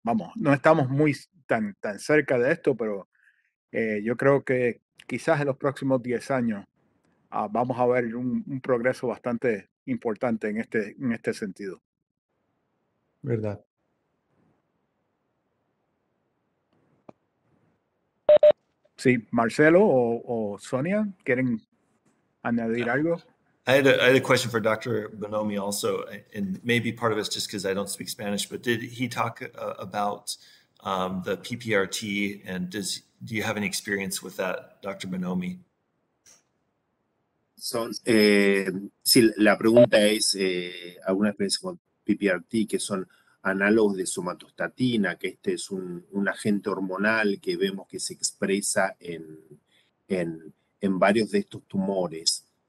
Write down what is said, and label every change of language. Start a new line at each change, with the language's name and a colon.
Spanish: Vamos, no estamos muy tan cerca de esto, pero yo creo que quizás en los próximos 10 años vamos a ver un progreso bastante importante en este sentido. Verdad. Sí, Marcelo o Sonia, ¿quieren añadir algo?
English: I had a question for Dr. Bonomi also, and maybe part of it's just because I don't speak Spanish, but did he talk about the PPRT, and do you have any experience with that, Dr. Bonomi?
Spanish: Sí, la pregunta es, ¿alguna experiencia con PPRT, que son análogos de somatostatina, que este es un agente hormonal que vemos que se expresa en varios de estos tumores?